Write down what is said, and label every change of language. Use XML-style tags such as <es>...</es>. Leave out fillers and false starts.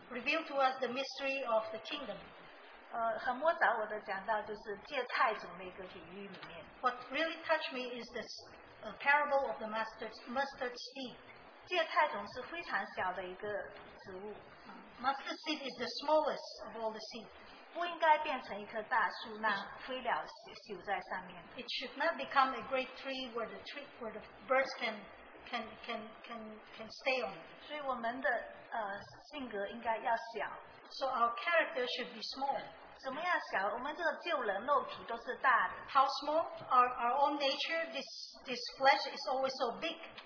<en>Reveal to us the mystery of the kingdom.</en> <zh>很摸着我的讲到就是芥菜种那个比喻里面。</zh> <en>What really touched me is this parable of the mustard seed.</en> <zh>芥菜种是非常小的一个植物。</zh> <en>Mustard seed is the smallest of all the seeds.</en> <zh>不应该变成一棵大树，让飞鸟休在上面。</zh> <en>It should not become a great tree where the tree where the birds can stay on.</en> <zh>所以我们的 性格应该要小。</zh> <en>So our character should be small.</en> <zh>怎么样小？我们这个旧人肉体都是大的。</zh> <en>How small? Our own nature, this flesh is always so big.</en>